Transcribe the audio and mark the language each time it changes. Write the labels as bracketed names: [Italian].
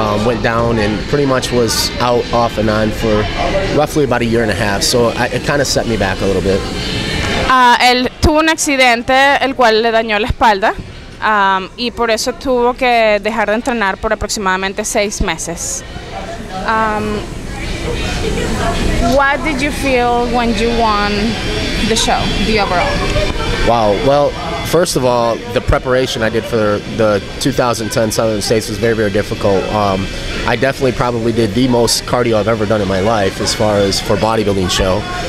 [English] Went down and pretty much was out off and on for roughly about a year and a half. So it kind of set me back a little bit. [Spanish] Él tuvo un accidente el cual le dañó la espalda, y por eso tuvo que dejar de entrenar por aproximadamente 6 meses. [English] What did you feel when you won the show, the overall? Wow, well, first of all, the preparation I did for the 2010 Southern States was very, very difficult. I definitely probably did the most cardio I've ever done in my life as far as for bodybuilding show.